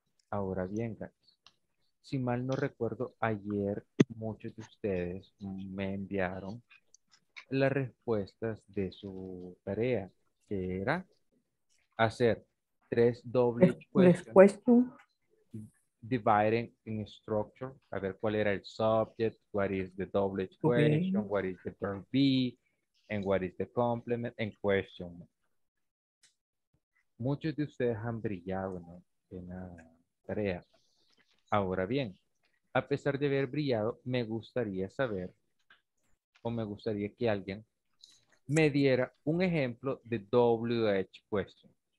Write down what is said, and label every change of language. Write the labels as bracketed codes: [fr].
[es] Ahora bien, guys, si mal no recuerdo, ayer muchos de ustedes me enviaron las respuestas de su tarea, que era hacer tres WH questions. [en] Dividing in structure, [es] a ver cuál era el [en] subject, what is the WH question, okay. What is the verb be, and what is the complement and question. [es] Muchos de ustedes han brillado, ¿no?, en la tarea. Ahora bien, a pesar de haber brillado, me gustaría saber, o me gustaría que alguien me diera un ejemplo de WH question.